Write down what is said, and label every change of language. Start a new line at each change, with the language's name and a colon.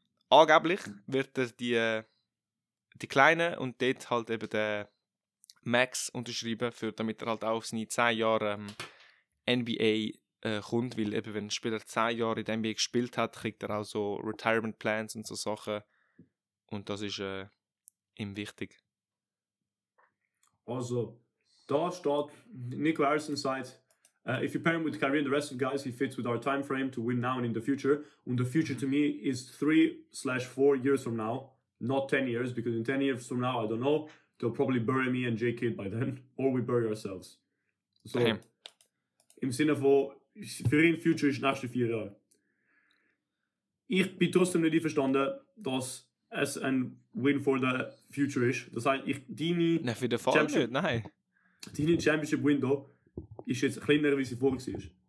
German: Angeblich wird er die Kleinen und dort halt eben den Max unterschrieben, für, damit er halt auch auf seine 10 Jahre NBA kommt, weil eben, wenn ein Spieler 10 Jahre in der NBA gespielt hat, kriegt er auch so Retirement Plans und so Sachen. Und das ist ihm wichtig. Also, da steht Nick Larson sagt,
English: if you pair him with Kyrie and the rest of the guys, he fits with our time frame to win now and in the future. And the future to me is 3/4 years from now, not 10 years, because in 10 years from now, I don't know, they'll probably bury me and J.K. by then, or we bury ourselves. So, okay.
German: Im Sinne von, für ihn Future ist nächste 4 Jahre. Ich bin trotzdem nicht einverstanden, dass es ein
English: Win for the Future
German: ist. Das heißt, ich deine... Nein, für den Fall Championship, nicht, nein. Deine Championship-Window ist jetzt kleiner, wie sie vorher war.